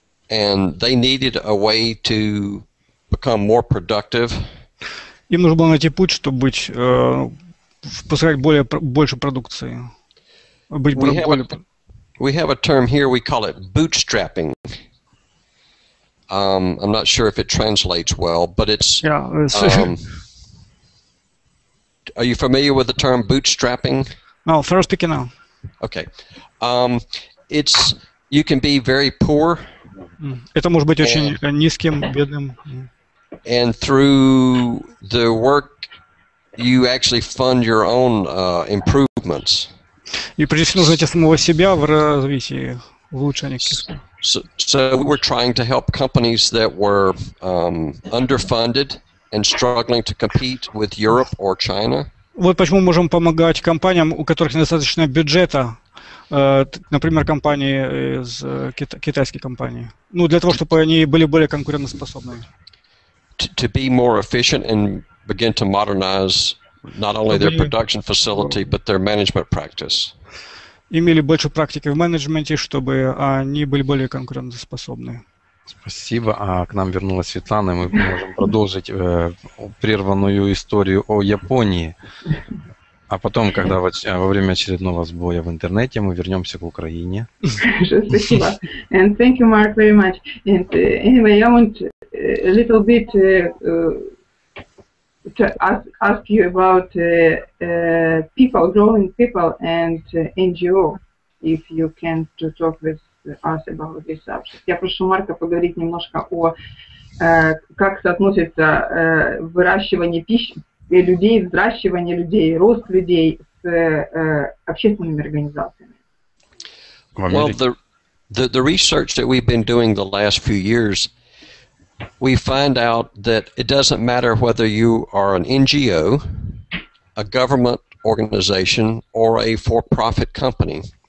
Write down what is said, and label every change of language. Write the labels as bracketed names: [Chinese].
[English] And they needed a way to become more productive. [Russian] Им нужно было найти путь, чтобы выпускать больше продукции. [English] We have a term here, we call it bootstrapping. I'm not sure if it translates well, but it's Are you familiar with the term bootstrapping? No, first speaking now. Okay. It's you can be very poor. [Russian] Это может быть очень низким, бедным. [English] And through the work, you actually fund your own improvements. [Russian] И предусмотрите самого себя в развитии, в улучшении. [English] So we were trying to help companies that were underfunded and struggling to compete with Europe or China. [Russian] Вот почему мы можем помогать компаниям, у которых недостаточно бюджета, например, компании из китайской компании. Ну, для того, чтобы они были более конкурентоспособными. [English] To be more efficient and begin to modernize not only their production facility, but their management practice. [Russian] Имели больше практики в менеджменте, чтобы они были более конкурентоспособны. Спасибо. А к нам вернулась Светлана, и мы можем продолжить прерванную историю о Японии. А потом, когда во время очередного сбоя в интернете, мы вернемся к Украине. Спасибо. [English] And thank you, Mark, very much. And anyway, I want a little bit to ask you about people, growing people and NGO, if you can to talk with us about this subject. [Russian] Я прошу Марка поговорить немножко о как соотносится выращивание пищи, людей, взращивание людей, рост людей с общественными организациями. [English] Well, the research that we've been doing the last few years, we find out that it doesn't matter whether you are an NGO, a government organization, or a for-profit company.